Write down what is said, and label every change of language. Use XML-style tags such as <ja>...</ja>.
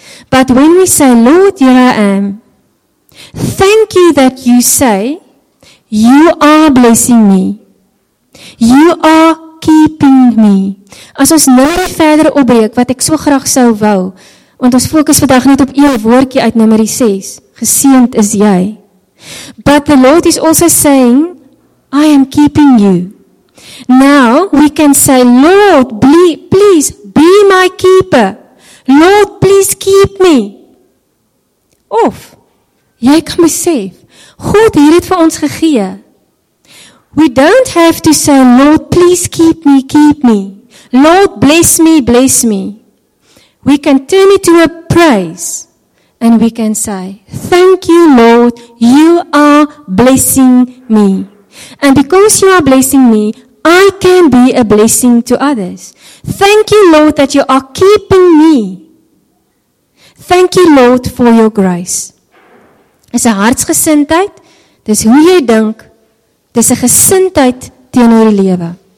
<en>But when we say, Lord, here I am, thank you that you say, you are blessing me. You are keeping me.</en> <af>As ons nou verder opbreek, wat ek so graag sou wou, want ons fokus vandag net op een woordjie uit nummer 6, geseend is jy.</af> <en>But the Lord is also saying, I am keeping you. Now we can say, Lord, please be my keeper. Lord, please keep me.</en> <af>Of, jy kan besef, God hier het vir ons gegee.</af> <en>We don't have to say, Lord, please keep me, keep me. Lord, bless me, bless me. We can turn it to a praise. And we can say, thank you, Lord, you are blessing me. And because you are blessing me, I can be a blessing to others. Thank you, Lord, that you are keeping me. Thank you, Lord, for your grace.</en> <af>Is 'n hartsgesindheid, dis hoe jy dink, dis 'n gesindheid teenoor die lewe.</af>